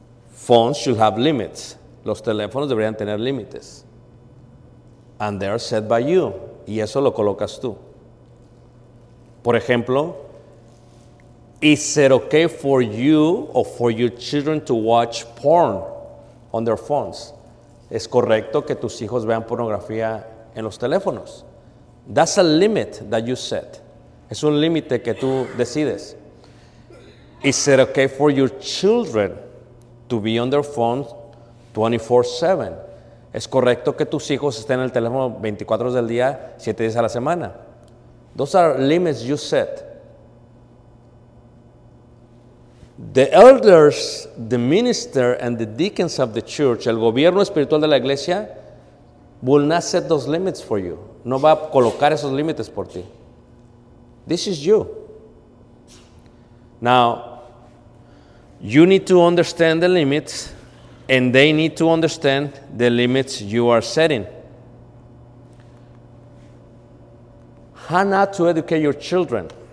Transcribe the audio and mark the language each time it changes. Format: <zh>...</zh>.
<en>Phones should have limits.</en> <es>Los teléfonos deberían tener límites.</es> <en>And they are set by you.</en> <es>Y eso lo colocas tú. Por ejemplo,</es> <en>is it okay for you or for your children to watch porn on their phones?</en> <es>¿Es correcto que tus hijos vean pornografía en los teléfonos?</es> <en>That's a limit that you set.</en> <es>Es un límite que tú decides.</es> <en>Is it okay for your children to be on their phones 24/7?</en> <es>¿Es correcto que tus hijos estén en el teléfono 24 horas del día, 7 días a la semana?</es> <en>Those are limits you set. The elders, the minister, and the deacons of the church,</en> <es>el gobierno espiritual de la iglesia,</es> <en>will not set those limits for you.</en> <es>No va a colocar esos límites por ti.</es> <en>This is you. Now, you need to understand the limits, and they need to understand the limits you are setting. How not to educate your children?</en>